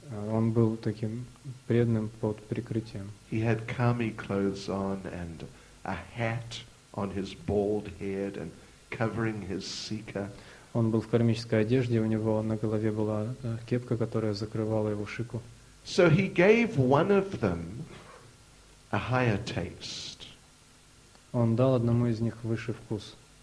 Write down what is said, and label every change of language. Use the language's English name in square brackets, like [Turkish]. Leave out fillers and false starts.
[Russian] Он был таким преданным под прикрытием. [English] He had kami clothes on and a hat on his bald head and covering his sika. [Russian] Он был в кармической одежде, у него на голове была кепка, которая закрывала его шику. [English] So he gave one of them a higher taste. [Russian] Он дал одному из них высший вкус.